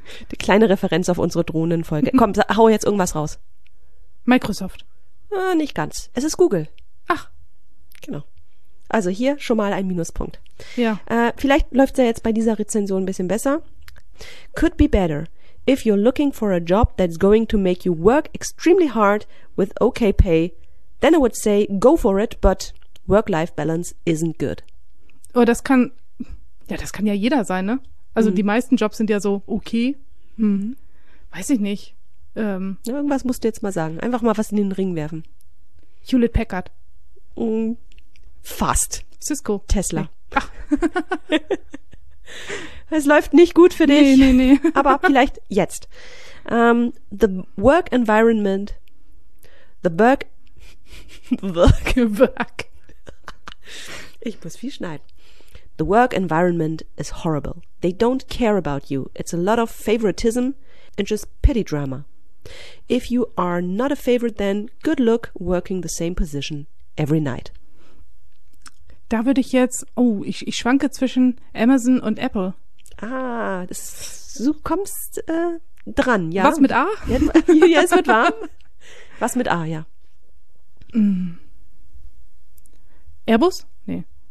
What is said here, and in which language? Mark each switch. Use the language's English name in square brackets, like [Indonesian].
[German] Die kleine Referenz auf unsere Drohnenfolge. Komm, hau jetzt irgendwas raus. Microsoft. Ah, nicht ganz. Es ist Google. Ach. Genau. Also hier schon mal ein Minuspunkt. Ja. Vielleicht läuft es ja jetzt bei dieser Rezension ein bisschen besser. [English] Could be better. If you're looking for a job that's going to make you work extremely hard with okay pay, then I would say, go for it, but work-life balance isn't good. [German] Oh, das kann ja jeder sein, ne? Also die meisten Jobs sind ja so okay. Mhm. Weiß ich nicht. Irgendwas musst du jetzt mal sagen. Einfach mal was in den Ring werfen. Hewlett Packard. Fast. Cisco. Tesla. Hey. Es läuft nicht gut für dich. Nee. Aber vielleicht jetzt. [English] The work environment, Work. [German] Ich muss viel schneiden. [English] The work environment is horrible. They don't care about you. It's a lot of favoritism and just petty drama. If you are not a favorite, then good luck working the same position every night. [German] Da würde ich jetzt, ich schwanke zwischen Amazon und Apple. Ah, du kommst dran, ja. Was mit A? Ja, es wird warm. Was mit A, ja. Airbus? Nee.